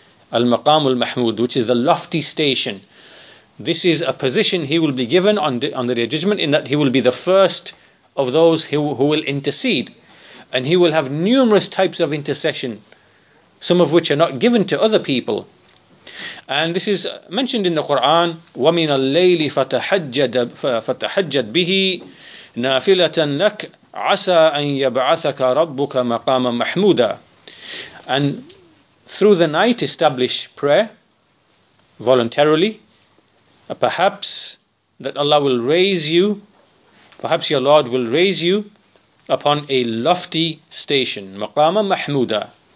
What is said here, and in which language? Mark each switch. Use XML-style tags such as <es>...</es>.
<en>Al-Maqam Al-Mahmud, which is the lofty station. This is a position he will be given on the Day of Judgment, in that he will be the first of those who will intercede. And he will have numerous types of intercession, some of which are not given to other people. And this is mentioned in the Quran,</en> <ar>وَمِنَ اللَّيْلِ فَتَحَجَّدْ بِهِ نَافِلَةً لَكْ عَسَىٰ أَنْ يَبْعَثَكَ رَبُّكَ مَقَامًا مَحْمُودًا.</ar> <en>And through the night establish prayer voluntarily, perhaps that Allah will raise you, perhaps your Lord will raise you upon a lofty station,</en> <ar>مَقَامًا مَحْمُودًا.</ar>